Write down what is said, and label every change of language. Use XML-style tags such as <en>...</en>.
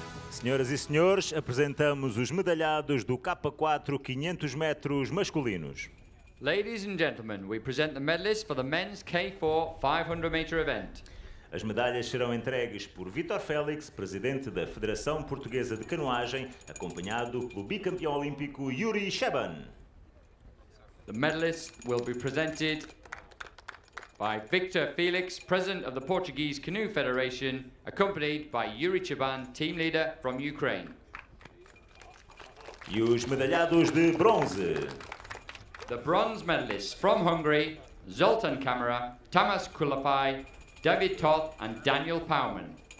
<pt>Senhoras e senhores, apresentamos os medalhados do K4 500 metros masculinos.</pt> <en>Ladies and gentlemen, we present the medalists for the men's K4 500 meter event.</en> <pt>As medalhas serão entregues por Vítor Félix, presidente da Federação Portuguesa de Canoagem, acompanhado pelo bicampeão olímpico Yuri Sheban.</pt> <en>The medalists will be presented by Victor Felix, President of the Portuguese Canoe Federation, accompanied by Yuri Chaban, team leader from Ukraine.</en> <pt>E os medalhados de bronze.</pt> <en>The bronze medalists from Hungary, Zoltán Kamara, Tamás Kulapai, David Toth and Daniel Powman.</en>